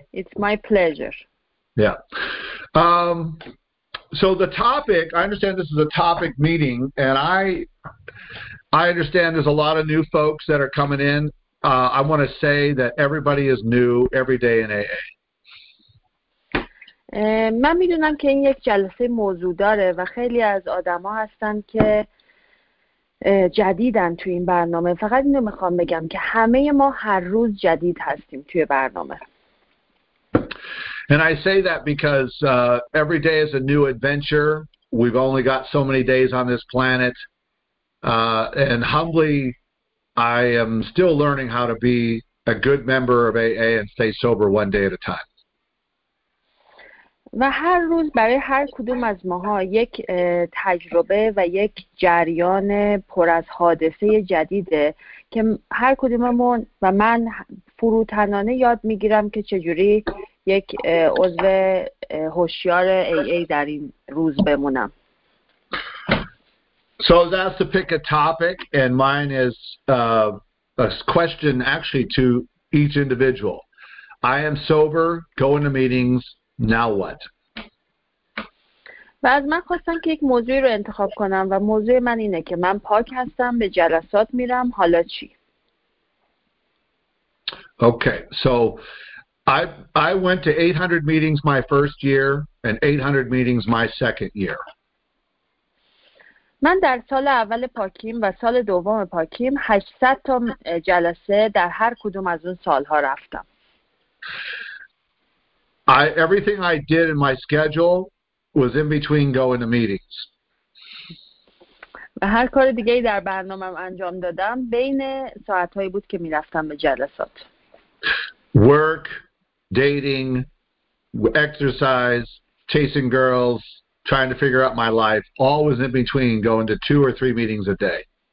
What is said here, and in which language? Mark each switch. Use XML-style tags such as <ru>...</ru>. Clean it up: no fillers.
<en>it's my pleasure. Yeah. So the topic, I understand this is a topic meeting, and I understand there's a lot of new folks that are coming in. I want to say that everybody is new every day in AA.</en> <fa>من میدونم که این یک جلسه موضوع داره و خیلی از آدم ها هستن که جدیدن توی این برنامه. فقط اینو میخوام بگم که همه ما هر روز جدید هستیم توی برنامه.</fa> <en>And I say that because every day is a new adventure. We've only got so many days on this planet. And humbly, I am still learning how to be a good member of AA and stay sober one day at a time.</en> <fa>و هر روز برای هر کدوم از ماها یک تجربه و یک جریان پر از حادثه جدیده که هر کدوممون و من فروتنانه یاد میگیرم که چجوری یک عضو هوشیار ای ای در این روز بمونم.</fa> <en>So I was asked to pick a topic, and mine is a question actually to each individual. I am sober, going to meetings, now what?</en> <fa>و از من خواستم که یک موضوعی رو انتخاب کنم و موضوع من اینه که من پاک هستم به جلسات میرم حالا چی؟</fa> <en>Okay, so I went to 800 meetings my first year and 800 meetings my second year.</en> <fa>من در سال اول پاکیم و سال دوم پاکیم 800 تا جلسه در هر کدوم از اون سالها رفتم.</fa> <en>Everything I did in my schedule was in between going to meetings.</en> <fa>و هر کار دیگه ای در برنامه انجام دادم بین ساعتهایی بود که می رفتم به جلسات.</fa> <en>Work, dating, exercise, chasing girls, trying to figure out my life, all was in between going to two or three meetings a day.</en>